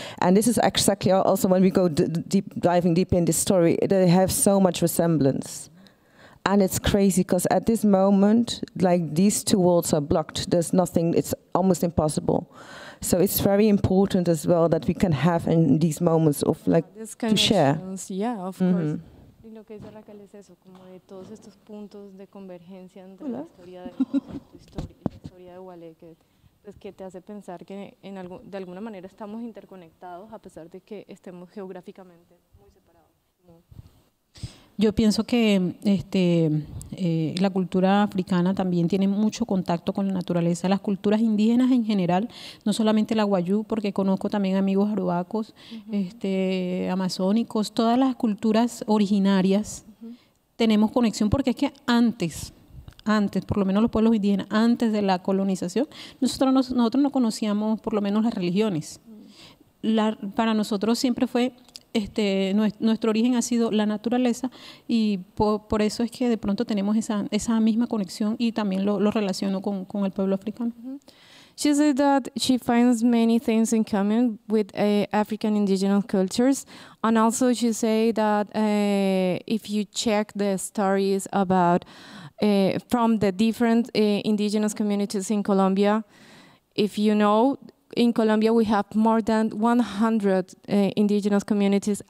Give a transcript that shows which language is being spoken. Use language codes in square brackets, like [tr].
[en] And this is exactly also when we go diving deep in this story, they have so much resemblance. And it's crazy because at this moment, these two worlds are blocked. There's nothing, it's almost impossible. So it's very important as well that we can have in these moments of to share. Yeah, of mm-hmm. [es] course. Y lo que dice Raquel es eso, como de todos estos puntos de convergencia entre Hola. La historia de tu historia y la historia de Waleke, pues que te hace pensar que de alguna manera estamos interconectados a pesar de que estemos geográficamente muy separados. ¿No? Yo pienso que la cultura africana también tiene mucho contacto con la naturaleza. Las culturas indígenas en general, no solamente la Wayuu, porque conozco también amigos arubacos, uh-huh. Amazónicos, todas las culturas originarias uh-huh. tenemos conexión, porque es que antes, por lo menos los pueblos indígenas, antes de la colonización, nosotros no conocíamos por lo menos las religiones. Para nosotros siempre fue... nuestro origen ha sido la naturaleza y por eso es que de pronto tenemos esa misma conexión y también lo relaciono con el pueblo africano. Mm-hmm. [en] She said that she finds many things in common with African indigenous cultures. And also she said that if you check the stories about from the different indigenous communities in Colombia, if you know, in Colombia we have more than 100 indigenous communities.